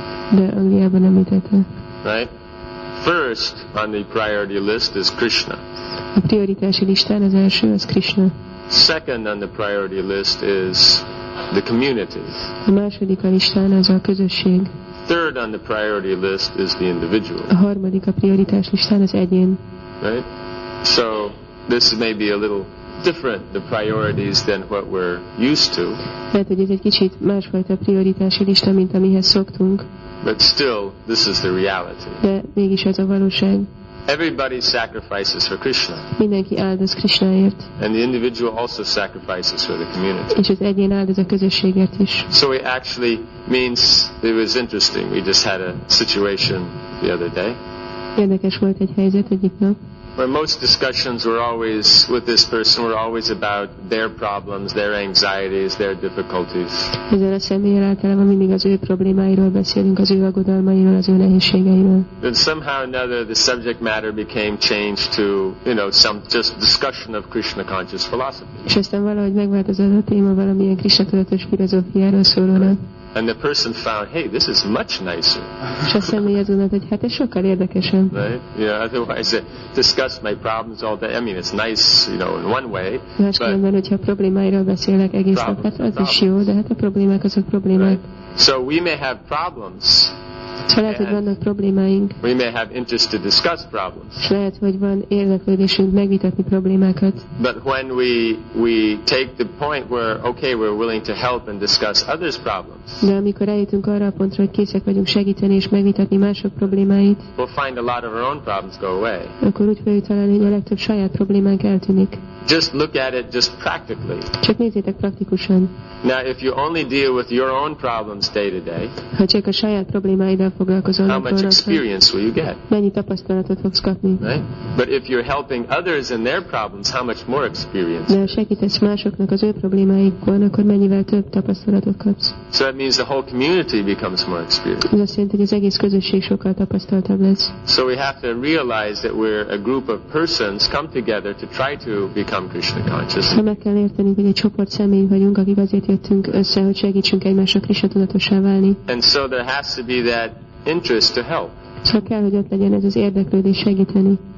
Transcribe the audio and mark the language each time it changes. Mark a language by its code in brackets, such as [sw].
[hu] De Angliában említette. [en] Right? First on the priority list is Krishna. [hu] A prioritási listán az első az Krishna. [en] Second on the priority list is the community. [hu] A második a listán az a közösség. [en] Third on the priority list is the individual. [hu] A harmadik a prioritás listán az egyén. [en] Right? So this may be a little different, the priorities, than what we're used to. [hu] Lehet, hogy ez egy kicsit másfajta prioritási lista, mint amihez szoktunk. [en] But still, this is the reality. [hu] De mégis ez a valóság. [en] Everybody sacrifices for Krishna. [hu] Mindenki áldoz Krishnaért. [en] And the individual also sacrifices for the community. [hu] És az egyén áldoz a közösségért is. [en] So it actually means it was interesting. We just had a situation the other day. [hu] Érdekes volt egy helyzet egyik nap. [en] Where most discussions were always with this person were always about their problems, their anxieties, their difficulties. [hu] Ezzel a személlyel általában mindig az ő problémáiról beszélünk, az ő aggodalmairól, az ő nehézségeiről. [en] Then somehow or another the subject matter became changed to, you know, some just discussion of Krishna conscious philosophy. [hu] És aztán valahogy megváltozott a téma valamilyen Krishna tudatos filozófiáról szólóra. [en] And the person found, hey, this is much nicer. [hu] És a személy azon mondta, hogy hát ez sokkal érdekesebb. [en] Right? Yeah, otherwise I discussed my problems all day. I mean, it's nice, you know, in one way. [hu] Máskülönben, hogyha a problémáiról beszélek egész nap, hát az is jó, de hát a problémák azok problémák. [en] Right? So we may have problems. [hu] Lehet, hogy vannak problémáink. [en] We may have interest to discuss problems. [hu] Lehet, hogy van érdeklődésünk megvitatni problémákat. [en] But when we take the point where okay, we're willing to help and discuss others' problems. [hu] De amikor eljutunk arra a pontra, hogy készek vagyunk segíteni és megvitatni mások problémáit. [en] We'll find a lot of our own problems go away. [hu] Akkor úgy fogjuk találni, hogy a legtöbb saját problémánk eltűnik. [en] Just look at it just practically. [hu] Csak nézzétek praktikusan. [en] Now if you only deal with your own problems day to day. [hu] Ha csak a saját problémáiddal foglalkozol. [en] How much experience will you get? [hu] Mennyi tapasztalatot fogsz kapni? [en] Right? But if you're helping others in their problems, how much more experience? [hu] De ha segítesz másoknak az ő problémáikban, akkor mennyivel több tapasztalatot kapsz? [en] So that means the whole community becomes more experienced. [hu] Ez azt jelenti, hogy az egész közösség sokkal tapasztaltabb lesz. [en] So we have to realize that we're a group of persons come together to try to become Krishna conscious. [hu] Ha meg kell érteni, hogy egy csoport személy vagyunk, akik azért jöttünk össze, hogy segítsünk egymásra Krishna tudatossá válni. [en] And so there has to be that interest to help. [hu] Csak kell, hogy ott legyen ez az érdeklődés segíteni.